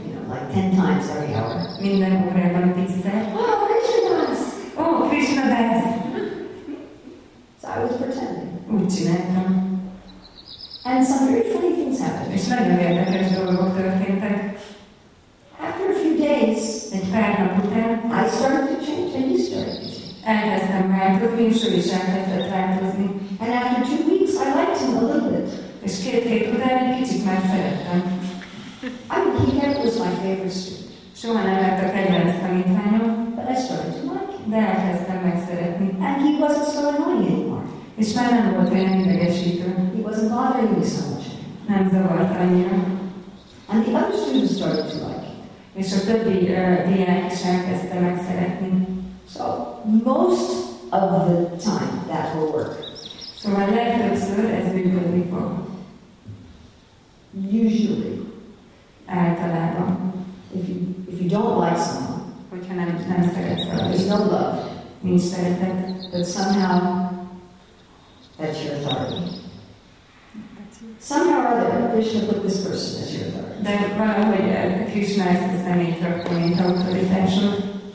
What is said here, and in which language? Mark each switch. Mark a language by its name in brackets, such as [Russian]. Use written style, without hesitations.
[English] like 10 times every hour. [Hungarian] Minden órában 10-szer. [English] Oh, Krishna Das! Oh, Krishna Das! So I was pretending. [Hungarian] Úgy csináltam. [English] And some very funny things happened. [Hungarian] És nagyon érdekes dolgok történtek. [English] After a few days, [Hungarian] egy pár nap után, [English] I started to change and he started to change. [Hungarian] Elkezdtem változni, és ő is elkezdett változni. [English] And after 2 weeks, I liked him a little bit. [Hungarian] És két hét után egy kicsit már szerettem. [English] I mean, he never was my favorite student. [Hungarian] Soha nem lett a kedvenc tanítványom. [English] But I started to like him. [Hungarian] De elkezdtem megszeretni. [English] And he wasn't so annoying anymore. [Hungarian] És már nem volt olyan idegesítő. [English] He wasn't bothering me so much. [Hungarian] Nem zavart annyira. [English] And the other students started to like him. [Hungarian] És a többi diák is elkezdte megszeretni. [English] So, most of the time that will work. [Hungarian] Szóval legtöbbször ez működni fog. [English] Usually. [Hungarian] Általában. [English] If you don't like someone, [Hungarian] hogyha nem szeretsz, [English] there's no love. [Hungarian] Nincs szeretet. [English] But somehow, that's your authority. Somehow or other, Krishna put this person as your authority. [Hungarian] De valahogy Krishna ezt a személyt rakta, mint autoritásod.